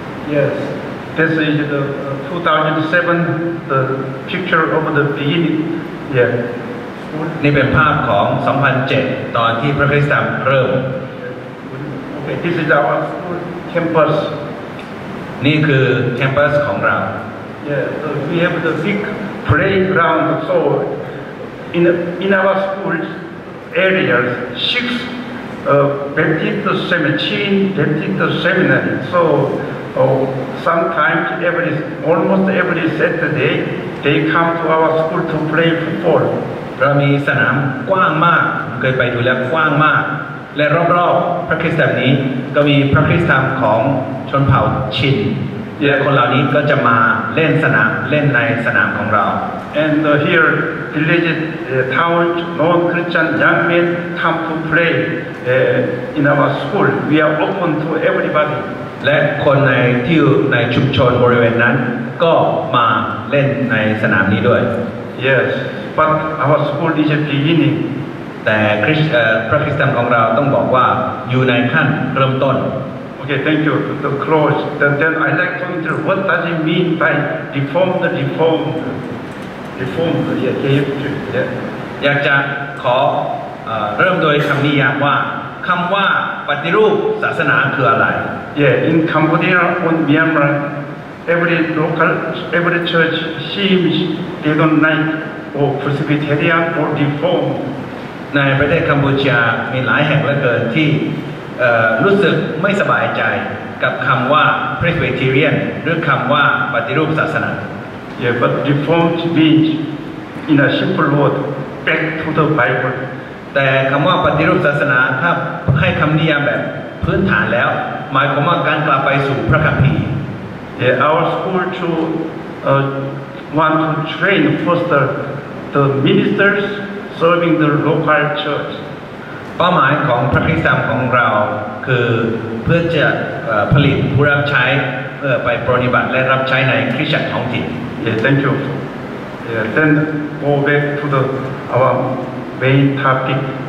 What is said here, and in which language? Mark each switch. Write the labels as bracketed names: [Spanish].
[English] Yes, this is the 2007 the picture of the beginning. Yeah. [Thai] นี่เป็นภาพของ2007ตอนที่พระคริสตธรรมเริ่ม [English] Okay, this is our campus. [Thai] นี่คือ campus ของเรา [English] Yeah, we have the big playground. So in our school areas, six. Baptist Seminary. So sometimes almost every Saturday they come to our school to play football. [Thai] เรามีสนามกว้างมากเคยไปดูแล้วกว้างมากและรอบๆพระคริสตธรรมนี้ก็มีพระคริสตธรรมของชนเผ่าชินและคนเหล่านี้ก็จะมาเล่นสนามเล่นในสนามของเรา [English] And here village town non-Christian young men come to playin our school we are open to everybody [Thai] และคนในที่ในชุมชนบริเวณนั้นก็มาเล่นในสนามนี้ด้วย [English] Yes but our school is a beginning [Thai] แต่พระคริสตธรรมของเราต้องบอกว่าอยู่ในขั้นเริ่มต้น [English] Okay, thank you. The close. Then I like to introduce. What does it mean by reformed? Yeah, can you? Yeah. [Thai] อยากจะขอเริ่มโดยคำนิยามว่าคำว่าปฏิรูปศาสนาคืออะไร [English] Yeah, in Cambodia or Myanmar, every local, every church seems they don't like or Presbyterian or reformed. [Thai] ในประเทศกัมพูชามีหลายแห่งเหลือเกินที่รู้สึกไม่สบายใจกับคำว่า Presbyterian หรือคำว่าปฏิรูปศาสนา [English] Yeah, but reformed means in a simple word back to the Bible [Thai] แต่คำว่าปฏิรูปศาสนาถ้าให้คำนิยามแบบพื้นฐานแล้วหมายความว่าการกลับไปสู่พระคัมภีร์ [English] Yeah, our school to want to train foster the ministers serving the local church [Thai] เป้าหมายของพระคริสตธรรมของเราคือเพื่อจะผลิตผู้รับใช้เพื่อไปปฏิบัติและรับใช้ในคริสตจักรท้องถิ่น [English] Yeah, thank you. Yeah, then go back to the our main topic.